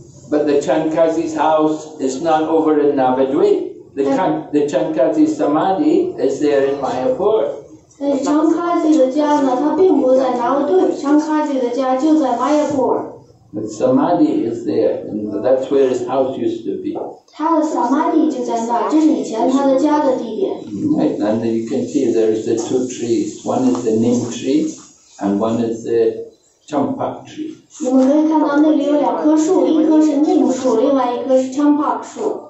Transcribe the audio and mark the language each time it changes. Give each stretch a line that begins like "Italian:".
English: But the Chankasi's house is not over in Navadvipa. The Chankasi Samadhi is there in Mayapur.
Chinese: 但是张卡吉的家呢，他并不在拿了对，张卡吉的家就在马耶普尔。
English: But Samadhi is there, and that's where his house used to be.
Chinese: 他的 Samadhi 就在那，这是以前他的家的地点。
English: Right, and then you can see there is the two trees. One is the Nim tree, and one is the Champak tree.
Chinese: 你们可以看到那里有两棵树，一棵是Nim树，另外一棵是Champak树。